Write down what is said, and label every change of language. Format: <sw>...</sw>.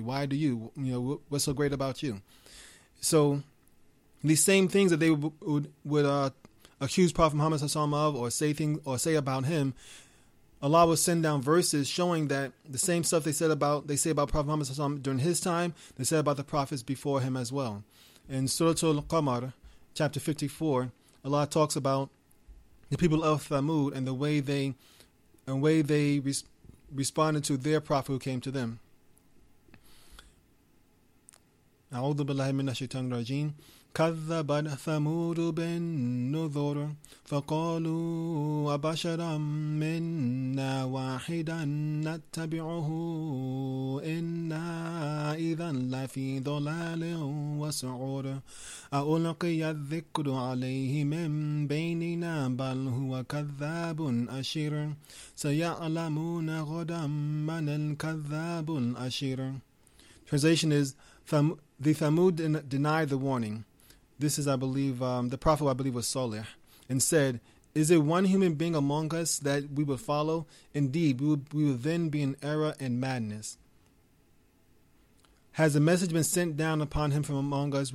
<en>Why do you, what's so great about you? So these same things that they would accuse Prophet Muhammad ﷺ of or say about him, Allah will send down verses showing that the same stuff they say about Prophet Muhammad ﷺ during his time, they said about the prophets before him as well. In Surah Al-Qamar, chapter 54, Allah talks about the people of Thamud and the way they responded to their prophet who came to them.</en> <ar>أعوذ بالله من الشيطان الرجيم كذبت ثمود بالنذر فقالوا أبشرا منا واحدا نتبعه إنا إذا لفي ضلال وسعر ألقي الذكر عليه من بيننا بل هو كذاب أشر سيعلمون غدا من الكذاب الأشر.</ar> <en>Translation is, the Thamud denied the warning. This is, I believe, the prophet, I believe, was Salih, and said, is it one human being among us that we would follow? Indeed, we would then be in error and madness. Has a message been sent down upon him from among us?</en>